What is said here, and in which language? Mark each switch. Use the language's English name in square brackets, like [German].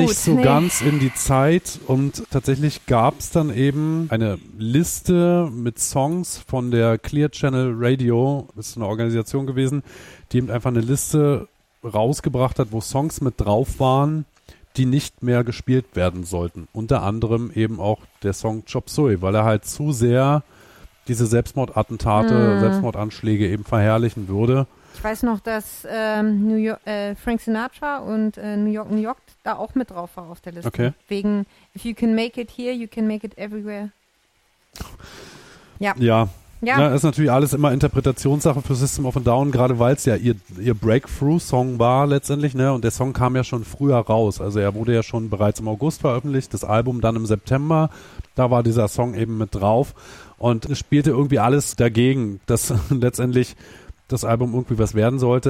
[German] Nicht so ganz in die Zeit. Und tatsächlich gab es dann eben eine Liste mit Songs von der Clear Channel Radio, das ist eine Organisation gewesen, die eben einfach eine Liste rausgebracht hat, wo Songs mit drauf waren, die nicht mehr gespielt werden sollten. Unter anderem eben auch der Song Chop Suey, weil er halt zu sehr diese Selbstmordattentate, Selbstmordanschläge eben verherrlichen würde. Ich weiß noch, dass New York, Frank Sinatra und New York, New York da auch mit drauf war auf der Liste. Okay. Wegen [English] If you can make it here, you can make it everywhere. [German] Ja. Ja. Ja. Na, ist natürlich alles immer Interpretationssache für System of a Down, gerade weil es ja ihr Breakthrough-Song war letztendlich, ne? Und der Song kam ja schon früher raus. Also er wurde ja schon bereits im August veröffentlicht, das Album dann im September. Da war dieser Song eben mit drauf. Und es spielte irgendwie alles dagegen, dass letztendlich das Album irgendwie was werden sollte.